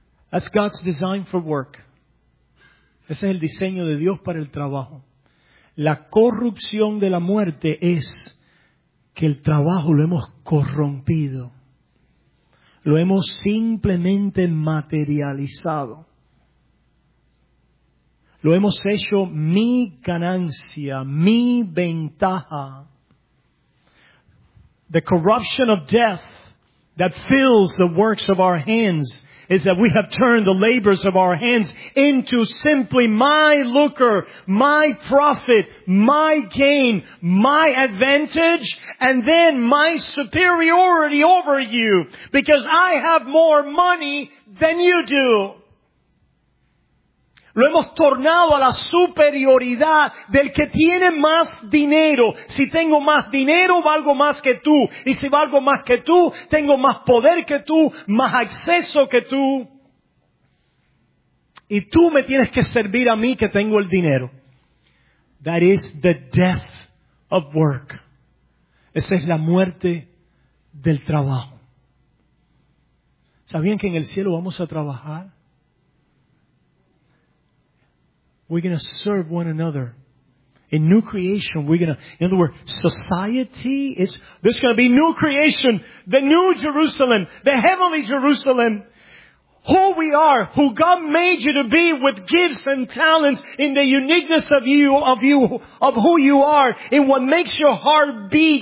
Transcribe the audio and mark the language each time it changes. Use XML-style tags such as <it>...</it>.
<en>That's God's design for work.</en> <es>Ese es el diseño de Dios para el trabajo. La corrupción de la muerte es que el trabajo lo hemos corrompido. Lo hemos simplemente materializado. Lo hemos hecho mi ganancia, mi ventaja.</es> <en>The corruption of death that fills the works of our hands is that we have turned the labors of our hands into simply my lucre, my profit, my gain, my advantage, and then my superiority over you because I have more money than you do.</en> <es>Lo hemos tornado a la superioridad del que tiene más dinero. Si tengo más dinero, valgo más que tú. Y si valgo más que tú, tengo más poder que tú, más acceso que tú. Y tú me tienes que servir a mí que tengo el dinero.</es> <en>That is the death of work.</en> <es>Esa es la muerte del trabajo. ¿Sabían que en el cielo vamos a trabajar?</es> <en>We're going to serve one another. In new creation, we're going to, in other words, society is, there's going to be new creation, the new Jerusalem, the heavenly Jerusalem. Who we are, who God made you to be with gifts and talents in the uniqueness of you, of who you are, in what makes your heart beat.</en>